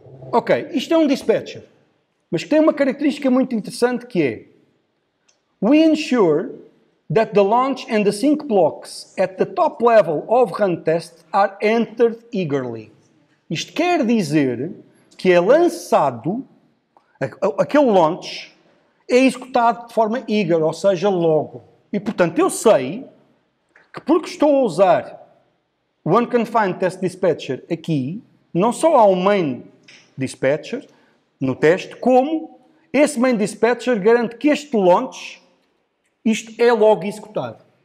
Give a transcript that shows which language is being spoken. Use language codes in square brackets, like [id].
[pt] Ok, isto é um dispatcher. Mas que tem uma característica muito interessante que é: [en] we ensure that the launch and the sync blocks at the top level of run test are entered eagerly. [pt] Isto quer dizer que é lançado, aquele launch é executado de forma eager, ou seja, logo. E, portanto, eu sei que porque estou a usar o Unconfined Test Dispatcher aqui, não só há um Main Dispatcher no teste, como esse Main Dispatcher garante que este launch, isto é logo executado.